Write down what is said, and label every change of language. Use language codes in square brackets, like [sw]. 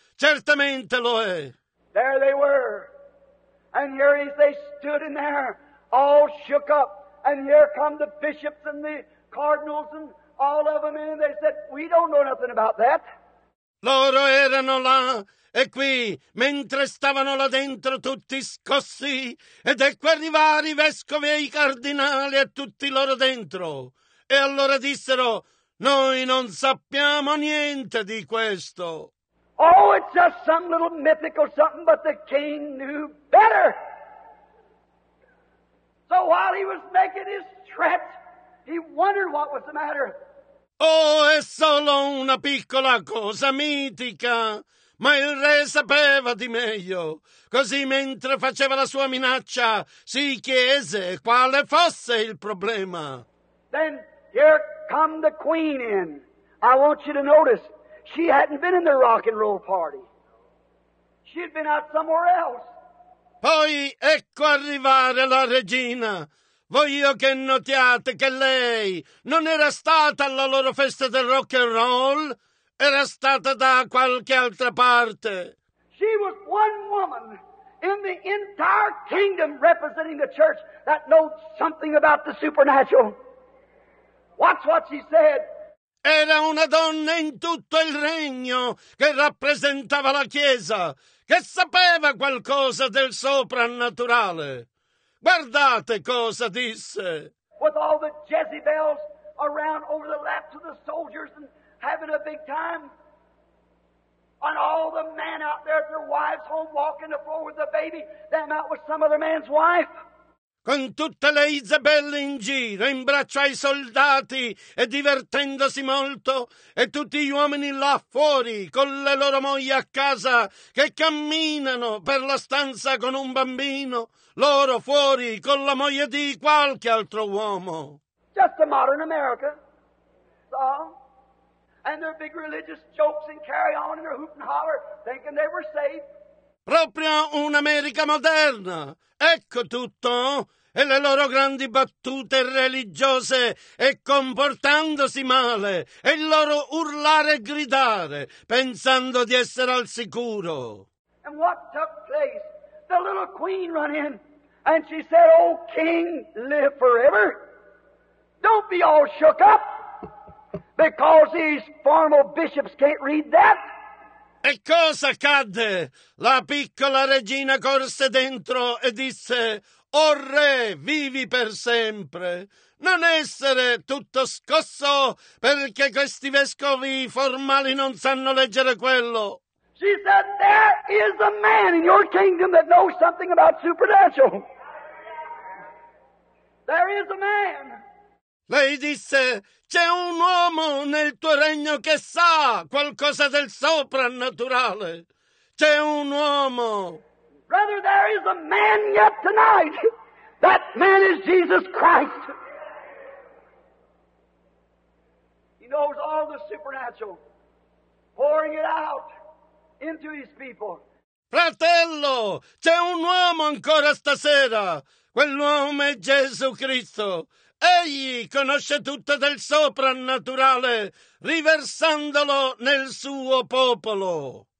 [it] Certamente lo è. [en] There they were. And here is they stood in there, all shook up. And here come the bishops and the cardinals and all of them in. And they said, we don't know nothing about that. [it] Loro erano là. E qui, mentre stavano là dentro tutti scossi, ed ecco arrivare i vescovi e i cardinali e tutti loro dentro. E allora dissero, noi non sappiamo niente di questo. [en] Oh, it's just some little mythical something, but the king knew better. So while he was making his threat, he wondered what was the matter. [it] Oh, è solo una piccola cosa mitica. ma il re sapeva di meglio. Così mentre faceva la sua minaccia, si chiese quale fosse il problema. [en] Then here come the queen in. I want you to notice, she hadn't been in the rock and roll party. She'd been out somewhere else. [it] Poi ecco arrivare la regina. Voglio che notiate che lei non era stata alla loro festa del rock and roll, era stata da qualche altra parte. [en] She was one woman in the entire kingdom representing the church that knows something about the supernatural. Watch what she said. [it] Era una donna in tutto il regno che rappresentava la Chiesa, che sapeva qualcosa del soprannaturale. Guardate cosa disse. [en] With all the Jezebels around over the laps of the soldiers and having a big time. And all the men out there at their wives' home walking the floor with the baby, them out with some other man's wife. [it] Con tutte le Isabelle in giro, in braccio ai soldati e divertendosi molto, e tutti gli uomini là fuori con le loro mogli a casa che camminano per la stanza con un bambino, loro fuori con la moglie di qualche altro uomo. [en] Just a modern America, so, and their big religious jokes and carry on and their hoop and holler, thinking they were safe. [it] Proprio un'America moderna, ecco tutto, e le loro grandi battute religiose e comportandosi male, e il loro urlare e gridare, pensando di essere al sicuro. [en] And what took place? The little queen ran in, and she said, "Oh king, live forever. Don't be all shook up, because these formal bishops can't read that." [it] E cosa accadde? La piccola regina corse dentro e disse: O re, vivi per sempre. Non essere tutto scosso perché questi vescovi formali non sanno leggere quello. [en] She said, there is a man in your kingdom that knows something about supernatural. There is a man. [it] Lei disse, c'è un uomo nel tuo regno che sa qualcosa del soprannaturale. C'è un uomo. [en] Brother, there is a man yet tonight. That man is Jesus Christ. He knows all the supernatural, pouring it out into his people. [it] Fratello, c'è un uomo ancora stasera. Quell'uomo è Gesù Cristo. Egli conosce tutto del soprannaturale, riversandolo nel suo popolo.